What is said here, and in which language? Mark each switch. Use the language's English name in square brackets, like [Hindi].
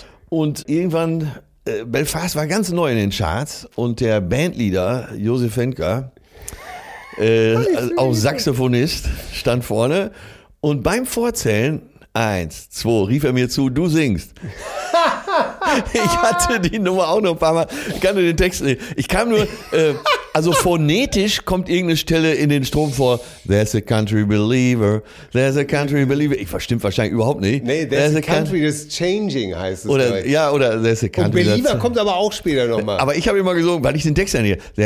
[German] Und irgendwann, Belfast war ganz neu in den Charts und der Bandleader Josef Henker, auch Saxophonist, stand vorne. Und beim Vorzählen, 1, 2, rief er mir zu, du singst. Ich hatte die Nummer auch noch ein paar Mal. Ich kann nur den Text nicht. Ich kam nur, also phonetisch kommt irgendeine Stelle in den Strom vor. [English] There's a country believer, there's a country believer. [German] Ich verstimmt wahrscheinlich überhaupt nicht. [English] Nee, there's a country that's changing, [German] heißt es. Oder, ja, oder [English] there's a country. [German] Und believer kommt aber auch später nochmal. Aber ich habe immer gesungen, weil ich den Text ja nicht.